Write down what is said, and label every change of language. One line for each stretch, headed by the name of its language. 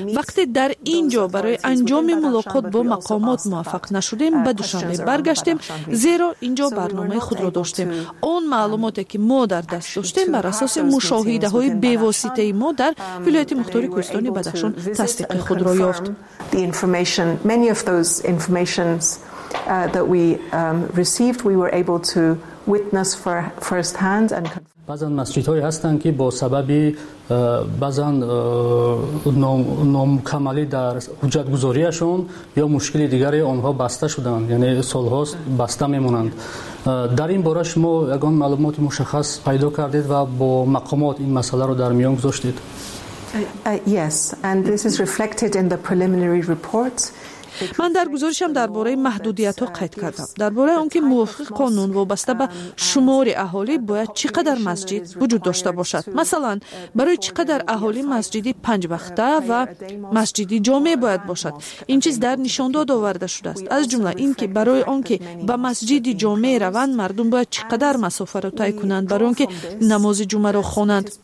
Persian: وقتی در اینجا برای انجام ملاقات با مقامات موفق نشدیم، به دوشنبه برگشتیم، زیرا اینجا برنامه خود را داشتیم. آن معلوماتی که ما در دست داشتیم بر اساس مشاهده های بی واسطه ما در ولایت مختار کوهستان بدخشان تصدیق خود را یافت.
English: Information, many of those informations that we received, we were able to witness for firsthand and confirm.
Persian: بعضن مسجد های هستند که با سببی بعضن نامکمالی در حجت گذاریشون یا مشکلی دیگری آنها بسته شدند، یعنی سال هاست بسته میمونند. در این باره شما یکان معلومات مشخص پیدا کردید و با مقامات این مسئله رو در میان گذاشتید؟
English: Yes, and this is reflected in the preliminary report.
Persian: من در گزارشم درباره محدودیت ها قید کردم. درباره اون که موافق قانون وابسته به شمار اهالی باید چقدر مسجد وجود داشته باشد. مثلا برای چقدر اهالی مسجدی پنج وقته و مسجدی جامع باید باشد. این چیز در نشان داد آورده شده است. از جمله این که برای اون که به مسجدی جامع روند مردم باید چقدر مسافه را طی کنند برای اون که نماز جمعه را خوانند.